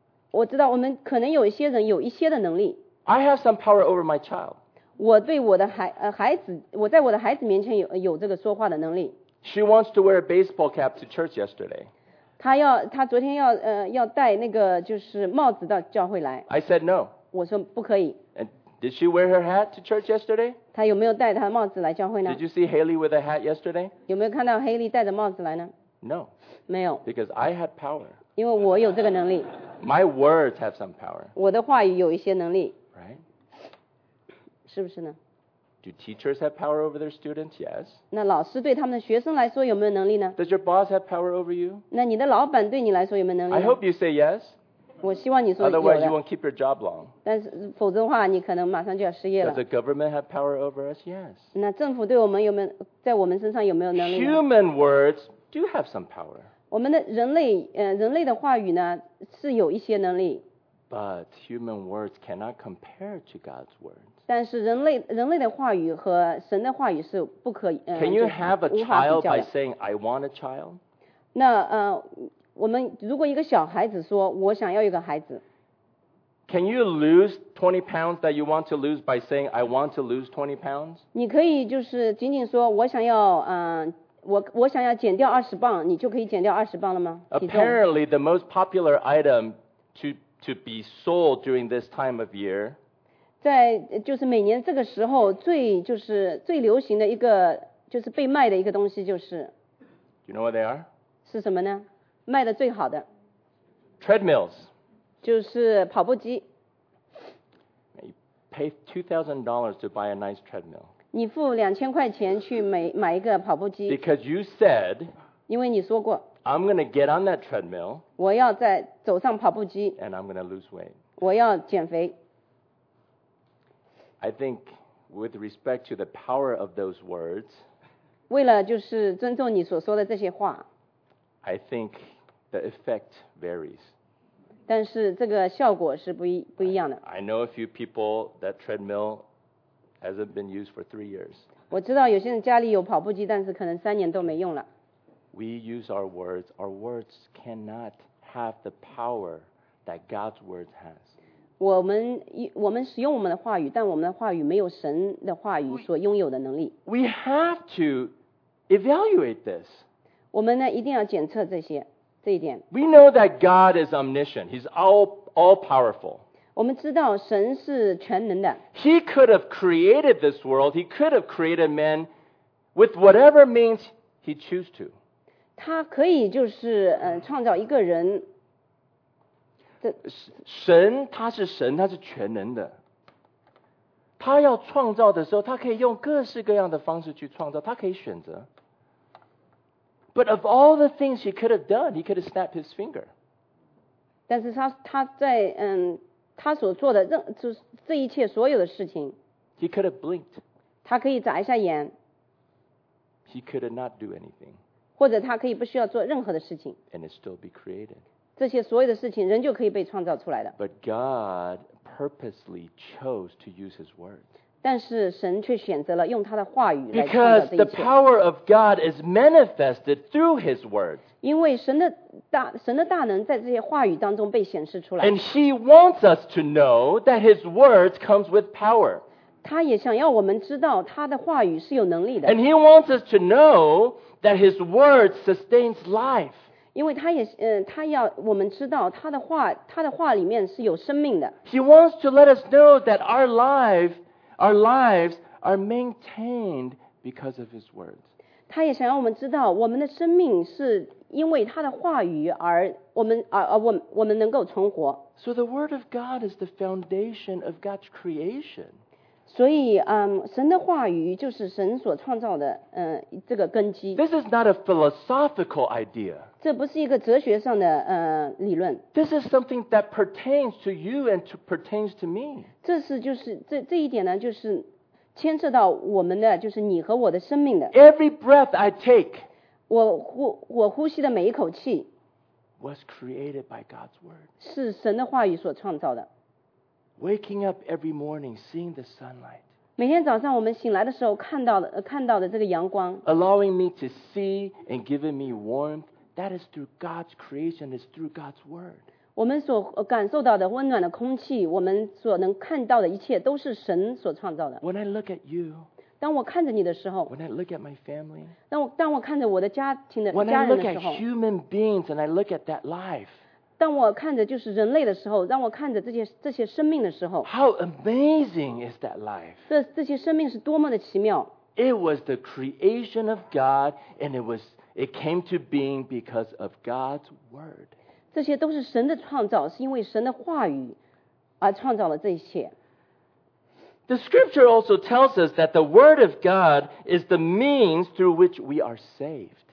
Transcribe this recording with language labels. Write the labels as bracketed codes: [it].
[zh] 我知道我们可能有一些人有一些的能力。 [en] I have some power over my child. [zh] 我对我的孩子，我在我的孩子面前有这个说话的能力。 [en] She wants to wear a baseball cap to church yesterday. [zh] 她昨天要戴那个就是帽子到教会来。 [en] I said no. [zh] 我说不可以。 [en] And did she wear her hat to church yesterday? [zh] 她有没有戴她的帽子来教会呢？ [en] Did you see Haley with a hat yesterday? [zh] 有没有看到 Haley 戴着帽子来呢？ [en] No. [zh] 没有 [en] Because I had power. [zh] 因为我有这个能力 [en] My words have some power. [zh] 我的话语有一些能力 [en] Right? [zh] 是不是呢 [en] Do teachers have power over their students? Yes. [zh] 那老师对他们的学生来说有没有能力呢 [en] Does your boss have power over you? [zh] 那你的老板对你来说有没有能力呢 [en] I hope you say yes. [zh] 我希望你说有的 [en] Otherwise you won't keep your job long. [zh] 但是否则的话你可能马上就要失业了 [en] Does the government have power over us? Yes. [zh] 那政府对我们有没有在我们身上有没有能力呢 [en] Human words do have some power. [zh] 我们的人类的话语呢是有一些能力。 [en] But human words cannot compare to God's words. [zh] 但是人类的话语和神的话语是不可以。 [en] Can you have a child by saying I want a child? [zh] 那我们如果一个小孩子说我想要一个孩子。 [en] Can you lose 20 pounds that you want to lose by saying I want to lose 20 pounds? [zh] 你可以就是仅仅说我想要我想要减掉二十磅，你就可以减掉二十磅了吗 [en] ？Apparently, the most popular item to be sold during this time of year. [zh] 在就是每年这个时候最就是最流行的一个就是被卖的一个东西就是。 [en] Do you know what they are? [zh] 是什么呢？卖的最好的。 [en] Treadmills. [zh] 就是跑步机。 [en] You pay $2,000 to buy a nice treadmill. [zh] 你付两千块钱去买一个跑步机。 [en] Because you said, [zh] 因为你说过 [en] I'm going to get on that treadmill, [zh] 我要再走上跑步机。 [en] And I'm going to lose weight. [zh] 我要减肥。 [en] I think with respect to the power of those words, [zh] 为了就是尊重你所说的这些话 [en] I think the effect varies. [zh] 但是这个效果是不一样的。 [en] I know a few people that treadmill,hasn't been used for 3 years. [zh] 我知道有些人家里有跑步机，但是可能三年都没用了。 [en] We use our words. Our words cannot have the power that God's word has. [zh] 我们使用我们的话语，但我们的话语没有神的话语所拥有的能力。 [en] We have to evaluate this. [zh] 我们呢一定要检测这些这一点。 [en] We know that God is omniscient. He's all powerful. [zh] 我们知道神是全能的。 [en] He could have created this world. He could have created man with whatever means he chose to. [zh] 他可以就是创造一个人。神他是神，他是全能的。他要创造的时候，他可以用各式各样的方式去创造，他可以选择。 [en] But of all the things he could have done, he could have snapped his finger. [zh] 但是他在他所做的任就是这一切所有的事情 [en] He could have blinked. [zh] 他可以眨一下眼 [en] He could have not do anything. [zh] 或者他可以不需要做任何的事情 [en] And it still be created. [zh] 这些所有的事情仍旧可以被创造出来的 [en] But God purposely chose to use his word. [zh] 但是神却选择了用他的话语来创造这一切 [en] Because the power of God is manifested through his word. [zh] 因为神的大能在这些话语当中被显示出来。 [en] And he wants us to know that his words comes with power. [zh] 他也想要我们知道他的话语是有能力的。 [en] And he wants us to know that his words sustains life. [zh] 因为他要我们知道他的话里面是有生命的。 [en] He wants to let us know that our lives are maintained because of his words. [zh] 他也想要我们知道，我们的生命是因为他的话语而我们能够存活。 [en] So the word of God is the foundation of God's creation. [zh] 所以神的话语就是神所创造的这个根基。 [en] This is not a philosophical idea. [zh] 这不是一个哲学上的理论。 [en] This is something that pertains to you and to pertains to me. [zh] 这是就是这一点呢就是牵涉到我们的就是你和我的生命的。 [en] Every breath I take. [zh] 我呼吸的每一口气。 [en] Was created by God's word. [zh] 是神的话语所创造的。 [en] Waking up every morning, seeing the sunlight. [zh] 每天早上我们醒来的时候看到的这个阳光。 [en] Allowing me to see and giving me warmth, that is through God's creation, it's through God's word. [zh] 我们所感受到的温暖的空气，我们所能看到的一切都是神所创造的。 [en] When I look at you, [zh] 当我看着你的时候。 [en] When I look at my family, [zh] 当我看着我的家庭的家人的时候。 [en] When I look at human beings and I look at that life. [zh] 当我看着就是人类的时候，当我看着这些生命的时候 [en] ，How amazing is that life？ [zh] 这些生命是多么的奇妙 [en] ！It was the creation of God, and it came to being because of God's word. [zh] 这些都是神的创造，是因为神的话语而创造了这一切。 [en] The scripture also tells us that the word of God is the means through which we are saved.